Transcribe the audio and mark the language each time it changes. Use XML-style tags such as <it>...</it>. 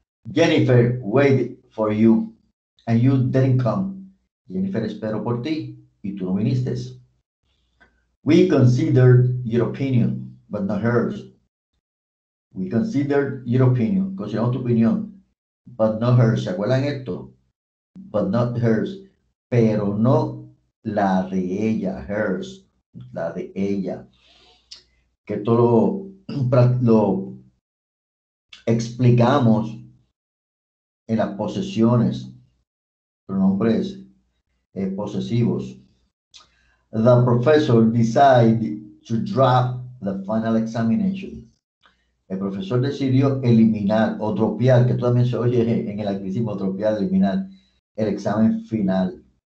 <en>Jennifer waited for you and you didn't come.</en> <es>Jennifer esperó por ti y tú no viniste.</es> <en>We considered your opinion, but not hers. We considered your opinion,</en> <es>consideramos tu opinión,</es> <en>but not hers.</en> <es>¿Se acuerdan esto?</es> <en>But not hers.</en> <es>Pero no la de ella, hers, la de ella. Que todo lo explicamos en las posesiones, pronombres posesivos.</es> <en>The professor decided to drop the final examination.</en> <es>El profesor decidió eliminar o dropear, que tú también se oye en el anglicismo, dropear, eliminar el examen final.</es>